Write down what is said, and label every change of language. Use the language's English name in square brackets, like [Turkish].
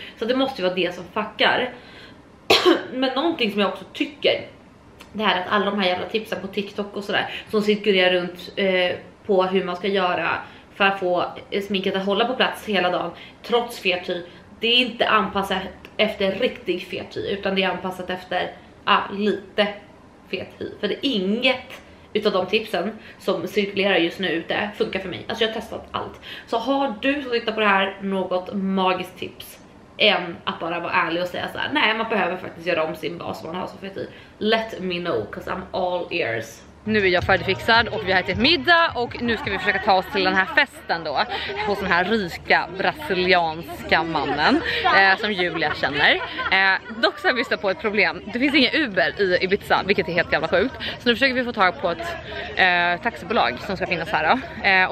[Swedish] Så det måste ju vara det som fuckar. Men någonting som jag också tycker, det är att alla de här jävla tipsen på TikTok och sådär, som cirkulerar runt på hur man ska göra för att få sminket att hålla på plats hela dagen, trots fet hy, det är inte anpassat efter riktig fet hy, utan det är anpassat efter lite fet hy. För det är inget utav de tipsen som cirkulerar just nu ute funkar för mig. Alltså jag har testat allt. Så har du som tittar på det här något magiskt tips än att bara vara ärlig och säga så här: nej, man behöver faktiskt göra om sin bas man har så fet hy. [English] Let me know, cause I'm all ears. [Swedish] Nu är jag färdigfixad och vi har ätit middag och nu ska vi försöka ta oss till den här festen då. Hos den här rika brasilianska mannen som Julia känner. Dock så har vi stött på ett problem. Det finns inga Uber i Ibiza, vilket är helt jävla sjukt. Så nu försöker vi få tag på ett taxibolag som ska finnas här då.